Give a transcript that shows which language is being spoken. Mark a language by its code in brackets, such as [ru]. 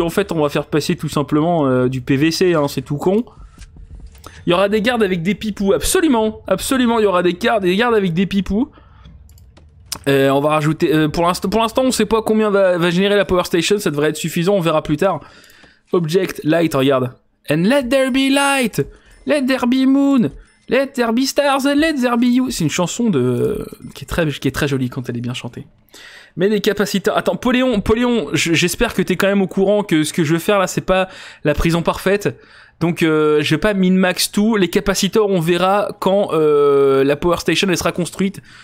[fr] En fait, on va faire passer tout simplement du PVC, hein, c'est tout con. Il y aura des gardes avec des pipous, absolument, il y aura des gardes avec des pipous. Et on va rajouter... Pour l'instant, on sait pas combien va générer la power station, ça devrait être suffisant, on verra plus tard. [en] Object, light, [fr] regarde. [en] And let there be light, let there be moon, let there be stars, and let there be you. [fr] C'est une chanson de... qui est très jolie quand elle est bien chantée. Mais des capacitors. Attends, Poléon, j'espère que t'es quand même au courant que ce que je veux faire là, c'est pas la prison parfaite. Donc, je vais pas min-max tout. Les capacitors, on verra quand la power station elle sera construite.